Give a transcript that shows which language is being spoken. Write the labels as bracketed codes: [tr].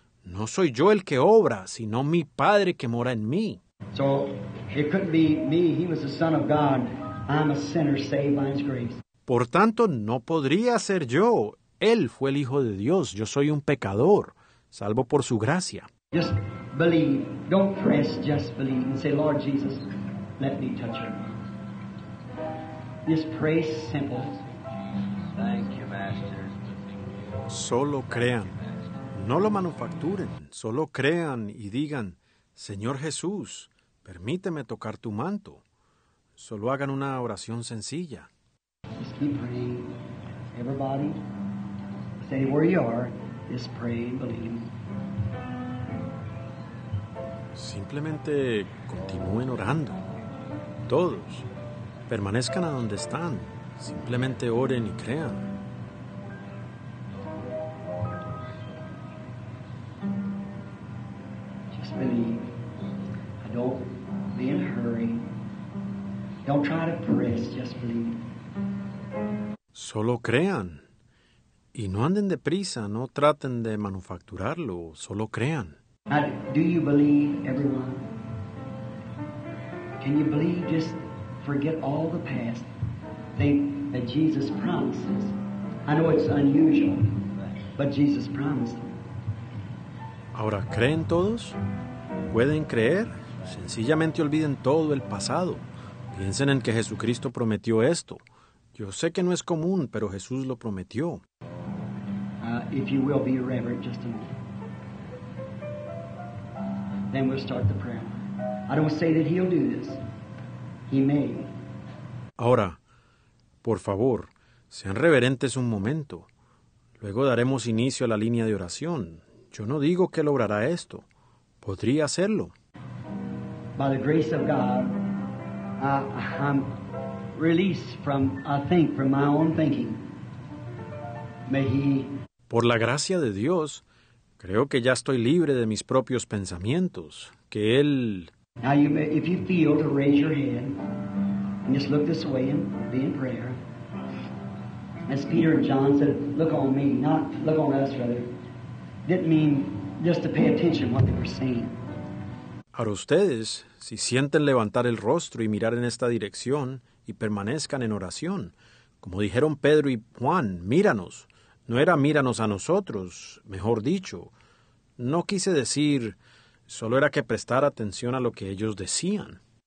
[es] No soy yo el que obra, sino mi Padre que mora en mí. [en] So it couldn't be me. He was the Son of God. I'm a sinner saved by His grace. [es] Por tanto, no podría ser yo. Él fue el Hijo de Dios. Yo soy un pecador, salvo por su gracia. [en] Just believe. Don't press. Just believe and say, Lord Jesus, let me touch her. Just pray simple. Thank you, Master. [es] Solo crean, no lo manufacturen, solo crean y digan, Señor Jesús, permíteme tocar tu manto. Solo hagan una oración sencilla. [en] Just keep praying, everybody, stay where you are, just pray and believe. [es] Simplemente continúen orando, todos, permanezcan a donde están, simplemente oren y crean. [en] Believe. I don't be in a hurry. Don't try to press. Just believe. [es] Solo crean. Y no anden deprisa. No traten de manufacturarlo. Solo crean. [en] Now, do you believe, everyone? Can you believe, just forget all the past? Think that Jesus promises. I know it's unusual, but Jesus promised. [es] Ahora, ¿creen todos? ¿Pueden creer? Sencillamente olviden todo el pasado. Piensen en que Jesucristo prometió esto. Yo sé que no es común, pero Jesús lo prometió. [en] If you will be irreverent, just a moment. Then we'll start the prayer. I don't say that he'll do this. He may. [es] Ahora, por favor, sean reverentes un momento. Luego daremos inicio a la línea de oración. Yo no digo que logrará esto. Podría hacerlo. [en] By the grace of God, I'm released from, I think, from my own thinking. May He. [es] Por la gracia de Dios, Creo que ya estoy libre de mis propios pensamientos. Que él... [en] Now, you may, if you feel to raise your hand and just look this way and be in prayer. As Peter and John said, look on me, not look on us, rather. Didn't mean just to pay attention to what they were saying. [es] Ahora ustedes, si sienten levantar el rostro y mirar en esta dirección y permanezcan en oración, como dijeron Pedro y Juan, míranos. No era míranos a nosotros, mejor dicho. No quise decir, solo era que prestar atención a lo que ellos decían.